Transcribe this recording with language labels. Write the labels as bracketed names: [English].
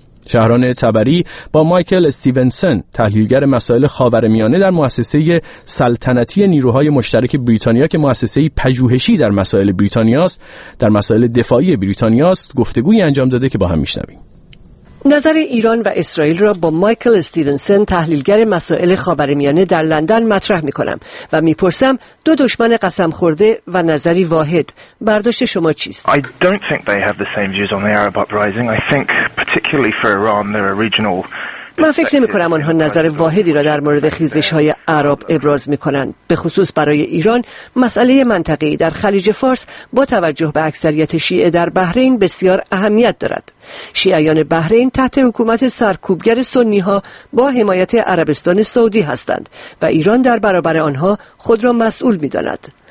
[Persian] شهران تبری با مایکل استیونسن تحلیلگر مسائل خاورمیانه در مؤسسه سلطنتی نیروهای مشترک بریتانیا که مؤسسه پژوهشی در مسائل بریتانیاست، در مسائل دفاعی بریتانیاست، گفتگوی انجام داده که با هم میشنویم. نظر ایران و اسرائیل را با مایکل استیونسن تحلیلگر مسائل خاورمیانه در لندن مطرح میکنم و میپرسم دو دشمن قسم خورده و نظری واحد، برداشت شما چیست؟ [English] I don't think they have the same views on the Arab uprising. I think particularly for Iran there are regional. [Persian] من فکر نمی کنم آنها نظر واحدی را در مورد خیزش های عرب ابراز می کنند. به خصوص برای ایران، مسئله منطقه‌ای در خلیج فارس با توجه به اکثریت شیعه در بحرین بسیار اهمیت دارد. شیعیان بحرین تحت حکومت سرکوبگر سنی ها با حمایت عربستان سعودی هستند و ایران در برابر آنها خود را مسئول می داند.